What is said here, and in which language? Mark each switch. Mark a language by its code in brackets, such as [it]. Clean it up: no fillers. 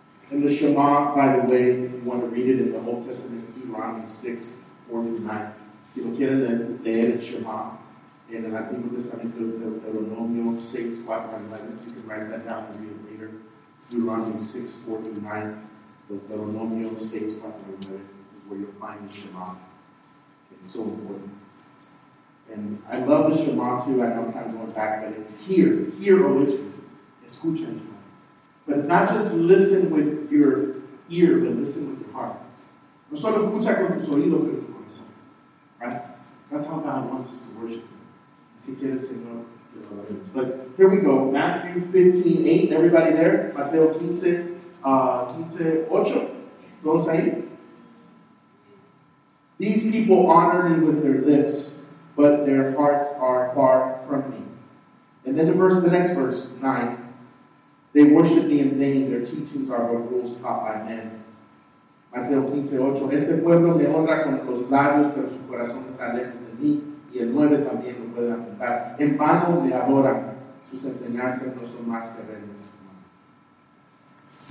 [en] And the Shema, by the way, if you want to read it in the Old Testament, Deuteronomy 6:4-9. [es] Si lo quieren leer el Shema en el Antiguo Testamento, Deuteronomy 6:4-9. [en] You can write that down and read it later. Deuteronomy 6:4-9. Deuteronomy 6:4-9 is where you'll find the Shema. It's so important. And I love the Shema too. I know I'm kind of going back, but it's hear. Hear, O Israel. [es] Escucha, Israel. [en] But it's not just listen with your ear, but listen with your heart. [es] No solo escucha con tus oídos, pero tu corazón. [en] Right? That's how God wants us to worship Him. [es] Si quiere el Señor, que lo adoremos. [en] But here we go. Matthew 15:8. Everybody there? [es] Mateo 15:8. Todos ahí? [en] These people honor me with their lips, but their hearts are far from me. And then the next verse, 9. They worship me in vain. Their teachings are but rules taught by men. [es] Mateo 15:8. Este pueblo me honra con los labios, pero su corazón está lejos de mí. Y el 9 también lo pueden apuntar. En vano me adoran. Sus enseñanzas no son más que reglas humanas.